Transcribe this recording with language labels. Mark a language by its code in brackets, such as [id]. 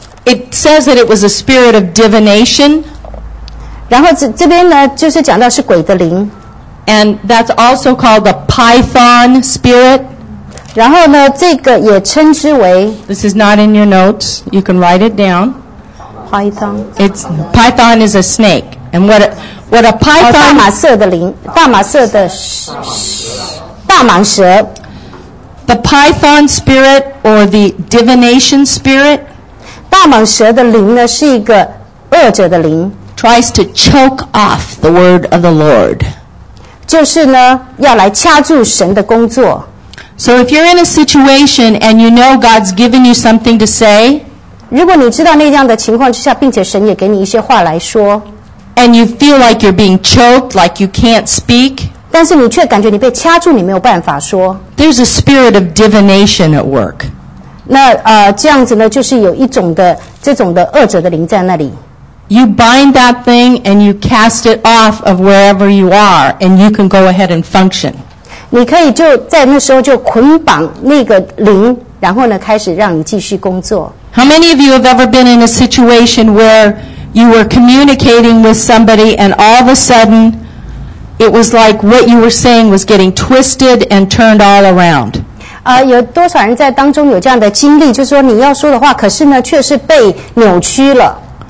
[en] It says that it was a spirit of divination. [zh] 然后这边呢就是讲到是鬼的灵。 [en] And that's also called the Python spirit. [zh] 然后呢，这个也称之为 [en] This is not in your notes. You can write it down. Python. Python is a snake. And what a python? [zh] 大马色的灵，大马色的大蟒蛇。 [en] The Python spirit or the divination spirit? [zh] 大蟒蛇的灵呢，是一个恶者的灵。 [en] Tries to choke off the word of the Lord. [zh] 就是呢，要来掐住神的工作。 [en] So if you're in a situation and you know God's given you something to say, [zh] 如果你知道那样的情况之下，并且神也给你一些话来说 [en] ，and you feel like you're being choked, like you can't speak, [zh] 但是你却感觉你被掐住，你没有办法说。 [en] There's a spirit of divination at work. [zh] 那这样子呢，就是有一种的这种的恶者的灵在那里。 [en] You bind that thing and you cast it off of wherever you are, and you can go ahead and function. [zh] 你可以就在那时候就捆绑那个灵，然后呢开始让你继续工作。 [en] How many of you have ever been in a situation where you were communicating with somebody and all of a sudden it was like what you were saying was getting twisted and turned all around? [zh] 有多少人在当中有这样的经历，就是说你要说的话，可是呢却是被扭曲了。